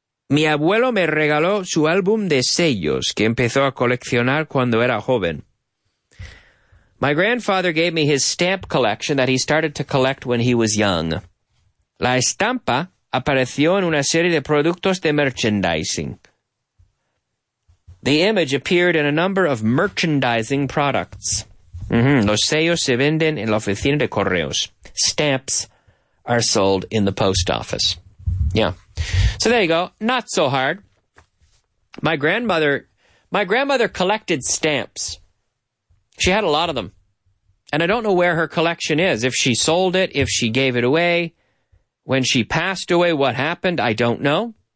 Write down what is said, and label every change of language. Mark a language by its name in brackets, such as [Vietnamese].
[Spanish] Mi abuelo me regaló su álbum de sellos, que empezó a coleccionar cuando era joven. [English] My grandfather gave me his stamp collection that he started to collect when he was young. [Spanish] La estampa apareció en una serie de productos de merchandising. [English] The image appeared in a number of merchandising products. [Spanish] Los sellos se venden en la oficina de correos. [English] Stamps are sold in the post office. Yeah. So there you go. Not so hard. My grandmother collected stamps. She had a lot of them. And I don't know where her collection is. If she sold it, if she gave it away, when she passed away, what happened, I don't know.